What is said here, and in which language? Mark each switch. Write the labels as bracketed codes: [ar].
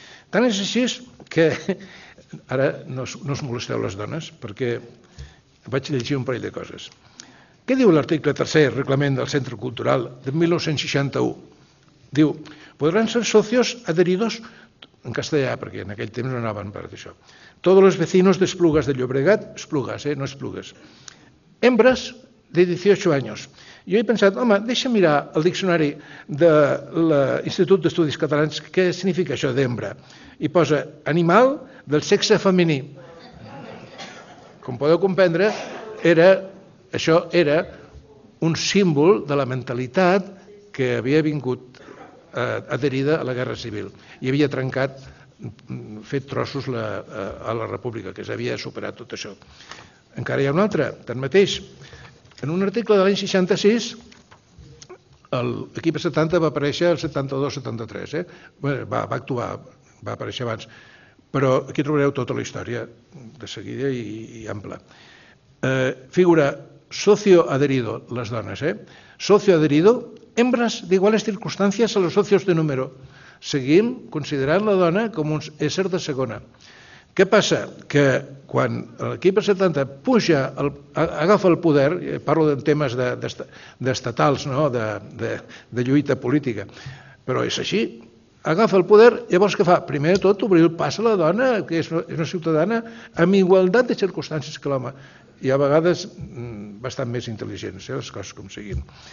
[ca] Tant és així que, ara no us molesteu les dones, perquè vaig llegir un parell de coses. Què diu l'article 3, reglament del Centre Cultural de 1961? Diu, podran ser socios adheridos en castellà, perquè en aquell temps no anaven per això. [es] Todos los vecinos de Esplugas de Llobregat, Esplugas, no Esplugas, hembras de 18 años. [ca] Jo he pensat, home, deixa mirar el diccionari de l'Institut d'Estudis Catalans, què significa això d'hembra? I posa animal del sexe femení. Com podeu comprendre, això era un símbol de la mentalitat que havia vingut adherida a la Guerra Civil i havia trencat, fet trossos a la República, que s'havia superat tot això. Encara hi ha un altre, tanmateix, en un article de l'any 66, l'equip 70 va aparèixer el 72-73, va actuar, va aparèixer abans, però aquí trobareu tota la història de seguida i ampla. [es] Figura socio adherido, les dones, socio adherido, hembras de iguales circunstancias a los socios de número. [ca] Seguim considerant la dona com un ésser de segona. Què passa? Que quan l'equip 70 puja, agafa el poder, parlo de temes d'estatals, de lluita política, però és així, agafa el poder, llavors què fa? Primer de tot, obrir el pas a la dona, que és una ciutadana, amb igualtat de circumstàncies que l'home, i a vegades bastant més intel·ligents, les coses com siguin.